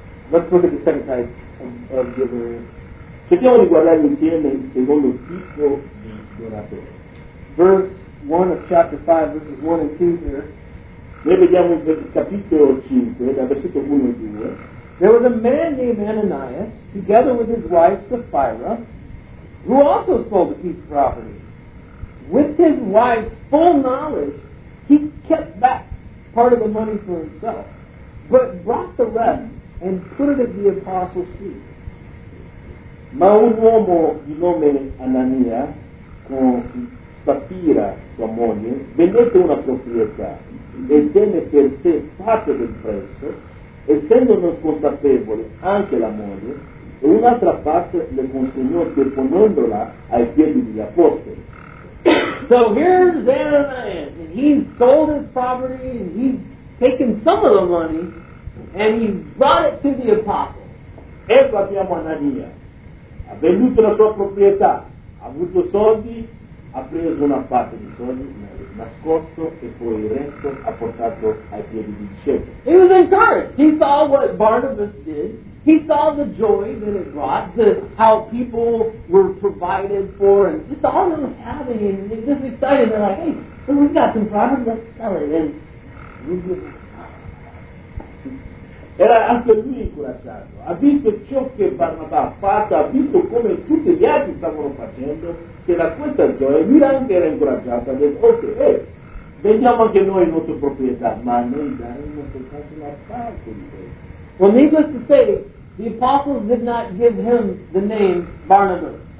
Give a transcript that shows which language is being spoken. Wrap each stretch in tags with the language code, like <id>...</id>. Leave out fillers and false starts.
<en>Let's look at the second type of giver.</en> <it>Cerchiamo di guardare insieme il secondo tipo di donatore.</it> <en>Verse 1 of chapter 5, verses 1 and 2 here.</en> <it>Noi vediamo il capitolo 5, da versetto 1 e 2.</it> <en>There was a man named Ananias, together with his wife Sapphira, who also sold a piece of property. With his wife's full knowledge, he kept back part of the money for himself, but brought the rest and put it at the apostles' feet.</en> <it>Ma un uomo di nome Anania, con Sapphira, sua moglie, vendette una proprietà e tenne per sé parte del prezzo, essendo non consapevole anche la moglie, e un'altra parte le consegnò deponendola ai piedi degli apostoli.</it> <en>So here's Ananias, and he sold his property, and he's taken some of the money, and he brought it to the apostles.</en> <it>Ecco abbiamo Anania, ha venduto la sua proprietà, ha avuto soldi, ha preso una parte di soldi, nascosto, e poi il resto ha portato ai piedi di discepoli.</it> <en>He was encouraged. He saw what Barnabas did. He saw the joy that it brought, the, how people were provided for, and just all them having, and they're just excited. They're like, hey, so we've got some problems, let's sell it. And</en> <it>era anche lui incoraggiato. Ha visto ciò che Barnabas ha fatto, ha visto come tutti gli altri stavano facendo, che da questa gioia lui anche era incoraggiato. Ha detto, ok, vendiamo anche noi le nostre proprietà, ma noi daremo soltanto una parte di questo.</it> <en>Well, needless to say, the apostles did not give him the name Barnabas.</en>